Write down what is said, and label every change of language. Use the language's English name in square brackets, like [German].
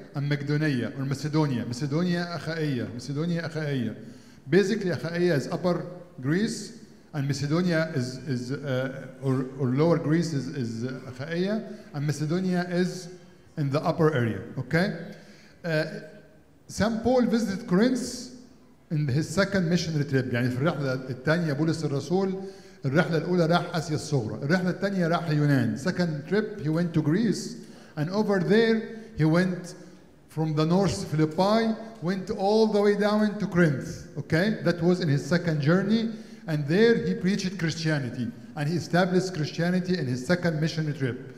[English] And Macedonia, or Macedonia. Macedonia, Achaia. Basically, Achaia is upper Greece, and Macedonia is lower Greece is Achaia, and Macedonia is in the upper area, okay? St. Paul visited Corinth in his second missionary trip. [Arabic] يعني في الرحلة الثانية بولس الرسول الرحلة الأولى راح آسيا الصغرى الرحلة الثانية راح اليونان. [English] Second trip he went to Greece, and over there he went from the north Philippi, went all the way down to Corinth, okay? That was in his second journey, and there he preached Christianity and he established Christianity in his second missionary trip.